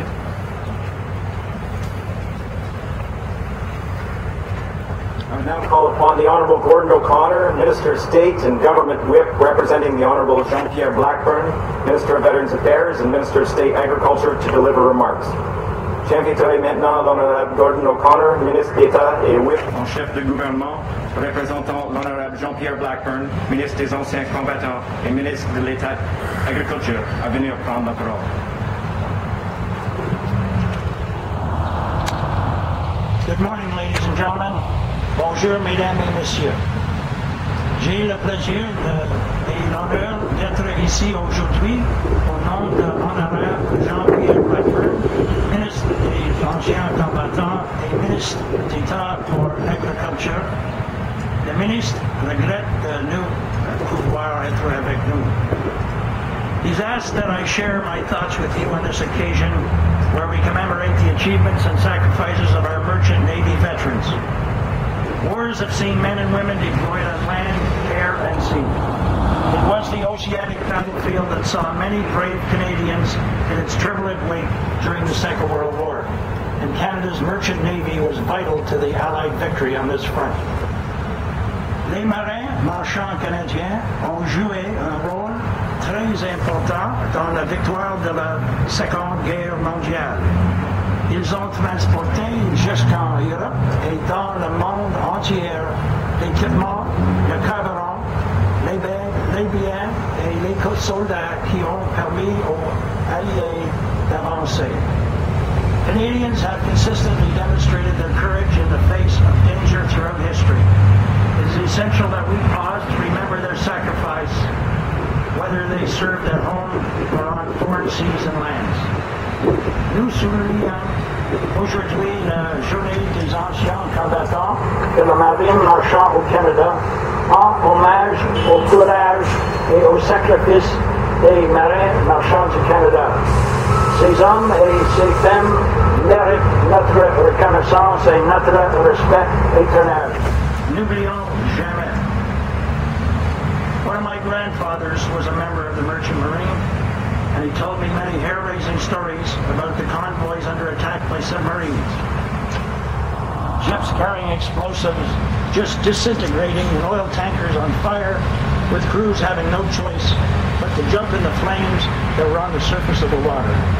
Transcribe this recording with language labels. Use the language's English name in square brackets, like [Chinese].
[English] I now call upon the Honourable Gordon O'Connor, Minister of State and Government Whip, representing the Honourable Jean-Pierre Blackburn, Minister of Veterans Affairs and Minister of State Agriculture, to deliver remarks. [French] J'inviterai maintenant l'Honorable Gordon O'Connor, Ministre d'État et Whip, en chef de gouvernement, représentant l'Honorable Jean-Pierre Blackburn, Ministre des Anciens Combattants et Ministre de l'État Agriculture, à venir prendre la parole. [English] Good morning, ladies and gentlemen. [French] Bonjour, mesdames et messieurs. J'ai le plaisir et l'honneur d'être ici aujourd'hui au nom de l'honorable Jean-Pierre Blackburn, ministre des Anciens Combattants et ministre d'État pour l'Agriculture. Le ministre regrette de nous pouvoir être avec nous. [English] He's asked that I share my thoughts with you on this occasion where we commemorate the achievements and sacrifices of our merchant Navy veterans. Wars have seen men and women deployed on land, air, and sea. It was the oceanic battlefield that saw many brave Canadians in its turbulent wake during the Second World War, and Canada's merchant navy was vital to the Allied victory on this front. [French] Les marins marchands canadiens ont joué un rôle très important dans la victoire de la Seconde Guerre mondiale. Ils ont transporté jusqu'en Europe et dans le monde entier l'équipement, le carburant, les biens et les soldats qui ont permis aux Alliés d'avancer. [English] Canadians have consistently demonstrated their courage in the face of danger throughout history. It is essential that we pause to remember their sacrifice, whether they served at home or on foreign seas and lands. [French] Nous soulignons aujourd'hui la journée des anciens combattants de la marine marchande au Canada en hommage au courage et au sacrifice des marins marchands du Canada. Ces hommes et ces femmes méritent notre reconnaissance et notre respect éternel. N'oublions jamais. [English] One of my grandfathers was a member of the Merchant Marine, and he told me many hair-raising stories about the convoys under attack by submarines. Ships carrying explosives just disintegrating and oil tankers on fire, with crews having no choice but to jump in the flames that were on the surface of the water.